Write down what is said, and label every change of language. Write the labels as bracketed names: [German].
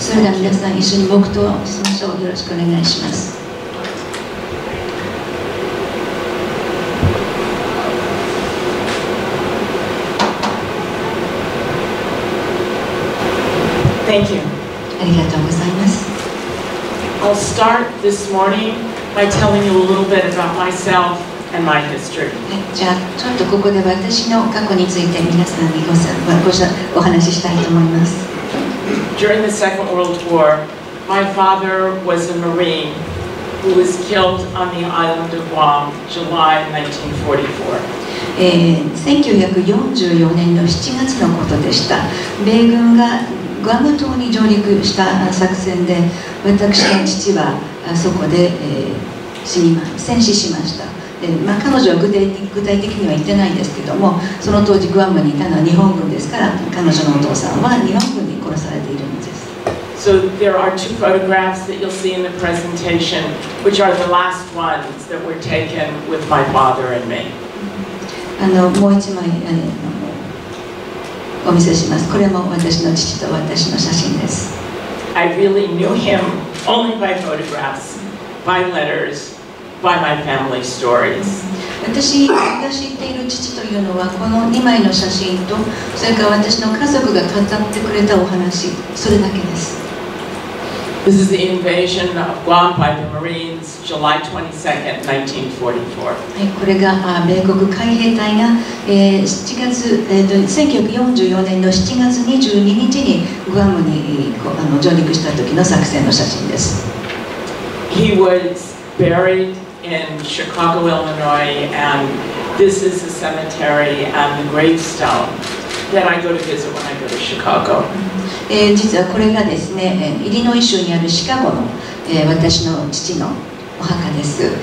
[Japanese] それでは皆さん一緒に黙祷をしましょう。よろしくお願いします。 [English] Thank you. [Japanese] ありがとうございます。 [English] I'll start this morning by telling you a little bit about myself and my history. [Japanese] じゃあちょっとここで私の過去について皆さんにお話ししたいと思います。 [English] During the Second World War, my father was a Marine who was killed on the island of Guam, July 1944. [Japanese] 1944年の7月のことでした。米軍がグアム島に上陸した作戦で、私の父はそこで、戦死しました。彼女は具体的には言ってないんですけども、その当時グアムにいたのは日本軍ですから、彼女のお父さんは日本軍に殺されているんです。 [English] So there are two photographs that you'll see in the presentation, which are the last ones that were taken with my father and me. [Japanese] もう一枚お見せします。これも私の父と私の写真です。 [English] I really knew him only by photographs, by letters, by my family stories. [Japanese] 私がいる父というのは、この2枚の写真と、それから私の家族が語ってくれたお話、それだけです。 [English] This is the invasion of Guam by the Marines, July 22nd, 1944. [Japanese] これが米国海兵隊が1944年の7月22日にグアムに上陸した時の作戦の写真です。 [English] He was buried in Chicago, Illinois, and this is the cemetery and the gravestone that I go to visit when I go to Chicago. [Japanese] 実はこれがですね、イリノイ州にあるシカゴの、私の父のお墓です。